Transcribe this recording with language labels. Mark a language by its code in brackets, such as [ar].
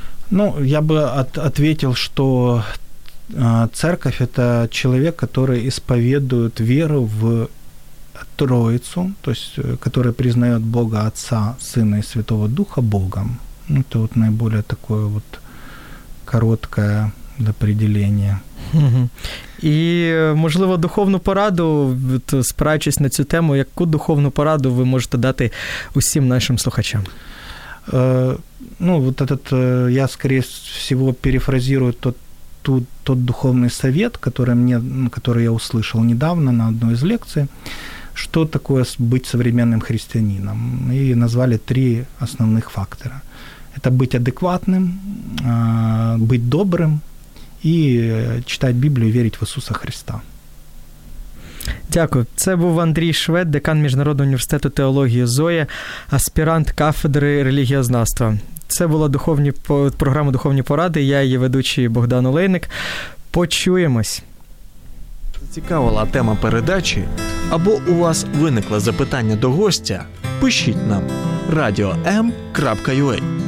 [uk] Ну, я би відповів, що церковь – це людина, який ісповідує віру в Троїцю, тобто, який признає Бога Отця, Сина і Святого Духа Богом. Ну, це от найбільш таке от коротке для приділення. І, можливо, духовну пораду, спираючись на цю тему, яку духовну пораду ви можете дати усім нашим слухачам? [ru] Ну, вот этот, я, скорее всего, перефразирую тот духовный совет, который я услышал недавно на одной из лекций, что такое быть современным христианином. И назвали три основных фактора. Это быть адекватным, быть добрым и читать Библию, верить в Иисуса Христа. [uk] Дякую. Це був Андрій Швед, декан Міжнародного університету теології ЗОЯ, аспірант кафедри релігієзнавства. Це була програма «Духовні поради». Я її ведучий Богдан Олейник. Почуємось. Зацікавила тема передачі? Або у вас виникло запитання до гостя? Пишіть нам radio.m.ua.